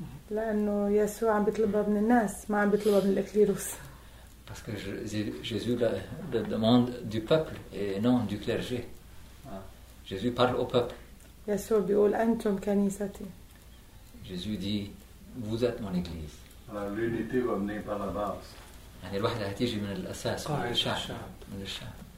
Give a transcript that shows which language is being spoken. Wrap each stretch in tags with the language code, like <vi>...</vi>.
<ar>لأنه يسوع عم بيطلبها من الناس ما عم بيطلبها من الكليروس.</ar> <fr>Parce que Jésus le demande du peuple et non du clergé. Jésus parle au peuple.</fr> <ar>يسوع بيقول أنتم كنيستي.</ar> <fr>Jésus dit vous êtes mon église. Alors l'unité va venir par la base.</fr> <ar>يعني الوحدة هتيجي من الأساس من الشعب.</ar>